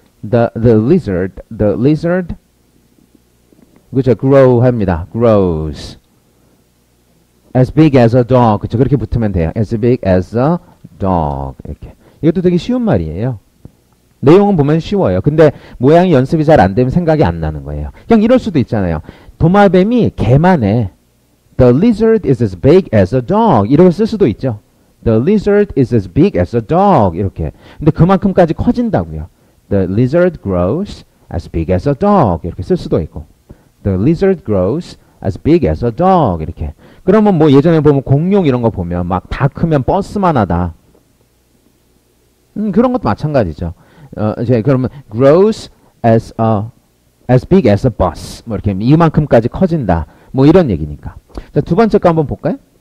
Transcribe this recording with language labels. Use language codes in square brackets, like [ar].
[en] The lizard, 그죠? grow 합니다. grows. As big as a dog. 그쵸? [ko] 그렇게 붙으면 돼요. [en] As big as a dog. 이렇게. [ko] 이것도 되게 쉬운 말이에요. 내용은 보면 쉬워요. 근데 모양이 연습이 잘 안 되면 생각이 안 나는 거예요. 그냥 이럴 수도 있잖아요. 도마뱀이 개만 해. [en] The lizard is as big as a dog. [ko] 이렇게 쓸 수도 있죠. [en] The lizard is as big as a dog. [ko] 이렇게. 근데 그만큼까지 커진다고요. [en] The lizard grows as big as a dog. [ko] 이렇게 쓸 수도 있고. [en] The lizard grows as big as a dog. [ko] 이렇게. 그러면 뭐 예전에 보면 공룡 이런 거 보면 막 다 크면 버스만 하다. 그런 것도 마찬가지죠. 이제 그러면 [en] grows as big as a bus. [ko] 뭐 이렇게 이만큼까지 커진다. 뭐 이런 얘기니까. 자, 두 번째 거 한번 볼까요?